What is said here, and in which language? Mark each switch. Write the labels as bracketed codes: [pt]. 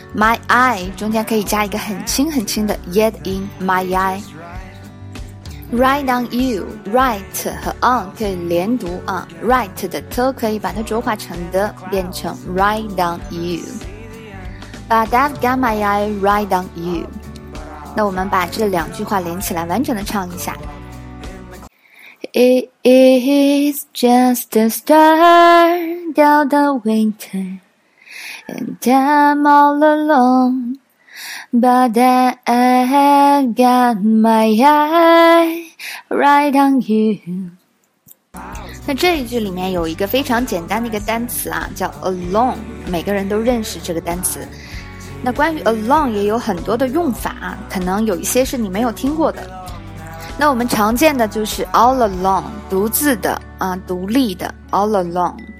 [zh] My eye 中间可以加一个很轻很轻的 yet in my eye. [en] Right on you. [zh] Right 和 on 可以连读啊。Right 的 t 可以把它浊化成的变成 [en] right on you. But I've got my eye right on you. [zh] 那我们把这两句话连起来完整的唱一下。 [en] It is just the start of the winter And I'm all alone But I've got my eye right on you。 [zh] 那这一句里面有一个非常简单的一个单词啊，叫 alone， 每个人都认识这个单词。那关于 alone 也有很多的用法，可能有一些是你没有听过的。那我们常见的就是 [en] all alone， [zh] 独自的啊，独立的 all alone。